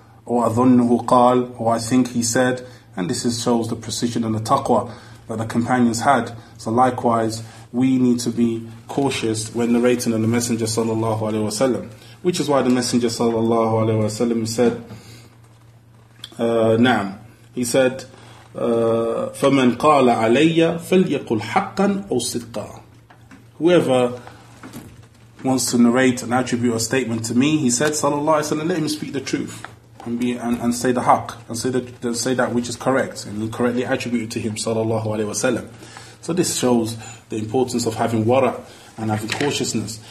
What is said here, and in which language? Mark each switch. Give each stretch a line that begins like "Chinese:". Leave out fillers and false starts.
Arabic: وَأَظُنُّهُ قَالْ
English: Or I think he said. And this is, shows the precision and the taqwa that the companions had. So likewise, we need to be cautious when narrating on the Messenger sallallahu alaihi wasallam. Which is why the Messenger sallallahu alaihi wasallam said, "Naam." He said,
Arabic: "فَمَنْ قَالَ عَلَيَّ فَلْيَقُلْ حَقًّا أَوْ صِدْقًا."
English: Whoever wants to narrate and attribute a statement to me, he said, sallallahu alaihi wasallam, let him speak the truth and say the haq, and say that which is correct, and he correctly attributed to him, sallallahu alaihi wasallam. So this shows the importance of having wara and having cautiousness.